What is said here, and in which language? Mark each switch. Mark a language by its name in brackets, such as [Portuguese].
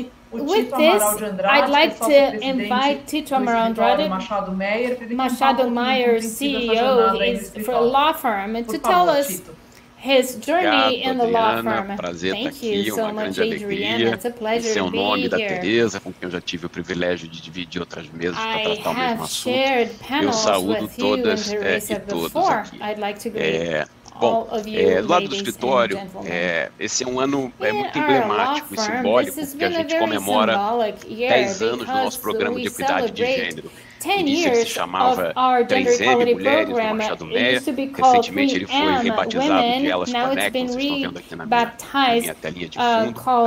[English] With this, I'd like to invite Tito Amaral Andrade, Machado Meyer, CEO for a law firm, to tell us his journey in the law firm. Thank you so much, Adriana. It's a pleasure to be here. [Portuguese] Teresa, com quem eu já tive o privilégio de dividir outras mesas para tratar o mesmo assunto. [English] I have shared panels with you and Teresa before. I'd like to greet [Portuguese] bom, do lado do escritório, esse é um ano muito emblemático e simbólico, porque a gente comemora 10 anos do nosso programa de equidade de gênero. Inicia se chamava 3M Mulheres do Machado Meyer. Recentemente ele foi rebatizado de Elas Conectam, vocês estão vendo aqui na minha telinha de fundo.